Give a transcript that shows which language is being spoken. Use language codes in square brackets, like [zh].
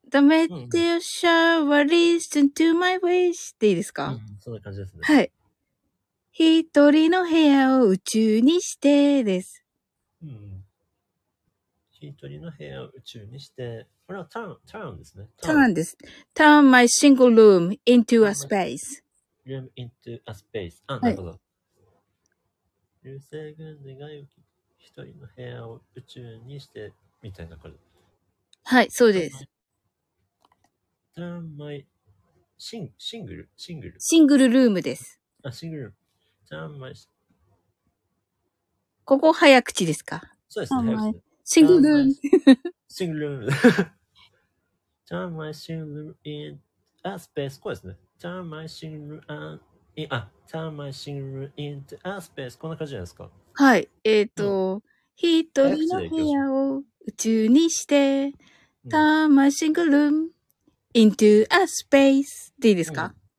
[en] The meteor shower listen to my wish [ja] っていいですか？うん、そんな感じですね。はい。一人の部屋を宇宙にしてです。うん。一人の部屋を宇宙にして、これはターン、ターンですね。ターンです。 [en] Turn my single room into a space. Room into a space. [ja] あ、なるほど。流星群で願いを一人の部屋を宇宙にしてみたいな感じ。はい、そうです。 [en] Turn my シングル [ja] シングルルームです。あ、シングルルーム。 [en] Turn my [ja] ここ早口ですか？そうですね。シングルルーム。シングルルーム。 [en] Turn my single room in a space. [ja] こうですね。 [en] Turn my single room in あ、Turn my single room into a space. [ja] こんな感じじゃないですか？はい。一人の部屋を宇宙にして、 [en] Turn my single room into a space [ja] でいいですか？